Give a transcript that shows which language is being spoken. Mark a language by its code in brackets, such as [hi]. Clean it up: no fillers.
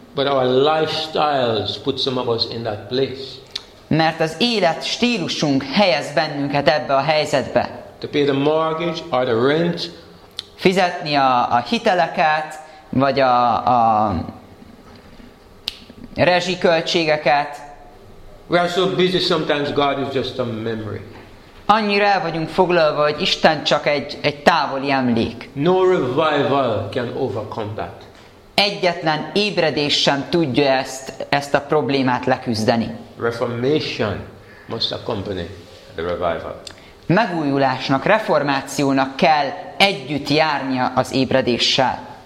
[en] But our lifestyles put some of us in that place. [hu] Mert az élet stílusunk helyez bennünket ebbe a helyzetbe. [en] To pay the mortgage or the rent. [hu] Fizetni a hiteleket, vagy a rezsiköltségeket. [en] We are so busy sometimes God is just a memory. [hu] Annyira el vagyunk foglalva, hogy Isten csak egy távoli emlék. [en] No revival can overcome that. [hu] Egyetlen ébredés sem tudja ezt a problémát leküzdeni. [en] Reformation must accompany the revival. [hu] Megújulásnak, reformációnak kell együtt járnia az ébredéssel.